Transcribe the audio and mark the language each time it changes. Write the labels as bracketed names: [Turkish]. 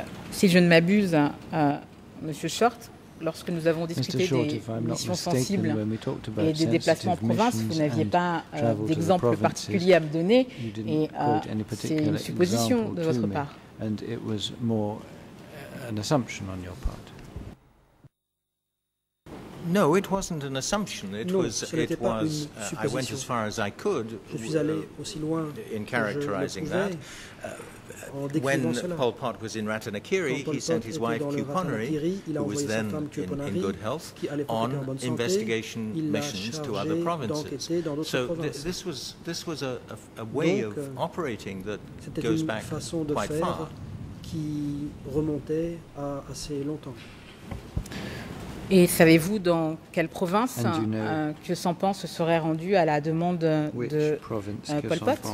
[French] Si je ne m'abuse, Monsieur Short, lorsque nous avons discuté des missions sensibles et des déplacements en province, vous n'aviez pas d'exemple particulier à me donner et c'est une supposition de votre part. [English] And it was more an assumption on your part. No, it wasn't an assumption. I went as far as I could in characterizing that. When Pol Pot was in Ratanakiri, he sent his wife, Khieu Ponnery, who was then in good health, on investigation missions to other provinces. So this was a way of operating that goes back quite far. [French] Qui remontait à assez longtemps. Et savez-vous dans quelle province Khieu Sampan se serait rendu à la demande de Pol Pot?